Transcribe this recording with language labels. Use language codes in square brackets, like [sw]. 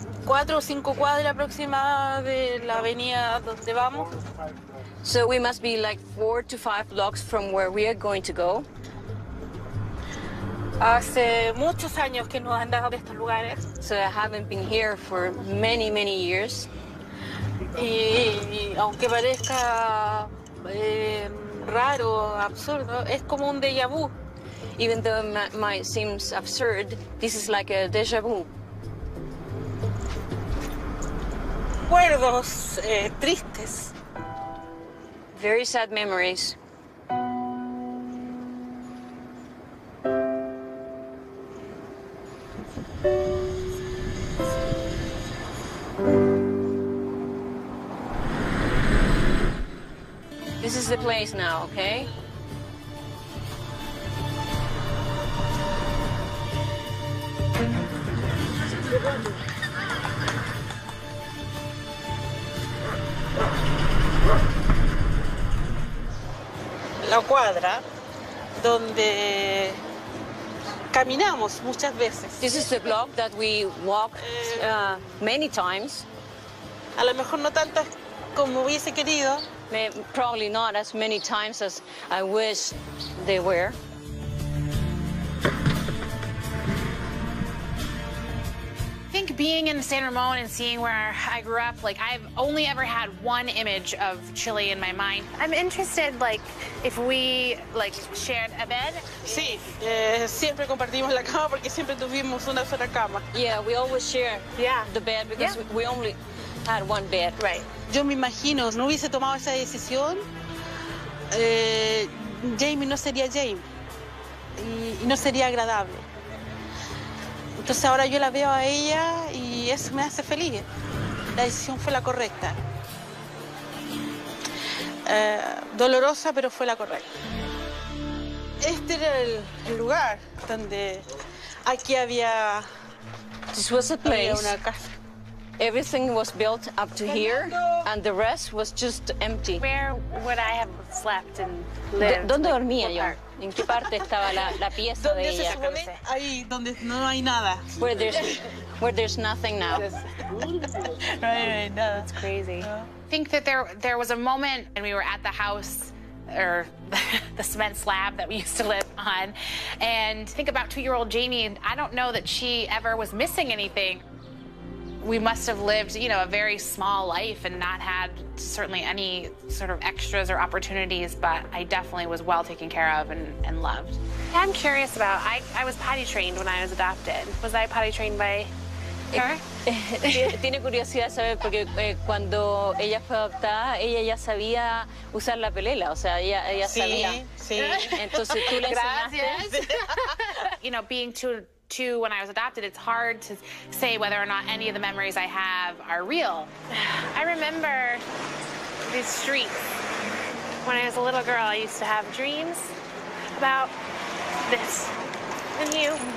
[es] 4 o 5 cuadras aproximadamente de la avenida donde vamos. [en] So we must be like 4 to 5 blocks from where we are going to go. [es] Hace muchos años que no andaba de estos lugares. [en] So I haven't been here for many, many years. [es] aunque parezca raro, absurdo, es como un déjà vu. [en] Even though it might seem absurd, this is like a déjà vu. [es] Recuerdos tristes. [en] Very sad memories. This is the place now, okay? [es] La cuadra donde caminamos muchas veces. [en] This is the block that we walk many times. [es] A lo mejor no tantas como hubiese querido. [en] Probably not as many times as I wish they were. I think being in San Ramon and seeing where I grew up, like, I've only ever had one image of Chile in my mind. I'm interested, like, if we, like, shared a bed. [es] Sí, siempre compartimos la cama porque siempre tuvimos una sola cama. [en] Yeah, we always share the bed because we only had one bed. Right. [es] Yo me imagino, no hubiese tomado esa decisión, Jamie no sería Jamie y no sería agradable. Entonces ahora yo la veo a ella y eso me hace feliz. La decisión fue la correcta. Dolorosa, pero fue la correcta. Este era el lugar donde aquí había, [en] this was a place. [es] Había una casa. [en] Everything was built up to here, and the rest was just empty. Where would I have slept and lived? [es] ¿Dónde dormía yo? ¿En qué parte estaba la pieza de ella? Ahí, donde no hay nada. [en] Where there's nothing now. Right, no. That's crazy. I think that there was a moment when we were at the house, or the cement slab that we used to live on, and think about 2-year-old Jamie, and I don't know that she ever was missing anything. We must have lived, you know, a very small life and not had certainly any sort of extras or opportunities, but I definitely was well taken care of and loved. I'm curious about, I was potty trained when I was adopted. Was I potty trained by her? [es] Tiene curiosidad saber porque cuando ella fue adoptada, ella ya sabía usar la pelela, o sea, ella sí, sabía. Sí. Entonces tú le enseñaste. [en] You know, being too, when I was adopted, it's hard to say whether or not any of the memories I have are real. I remember these streets. When I was a little girl, I used to have dreams about this and you.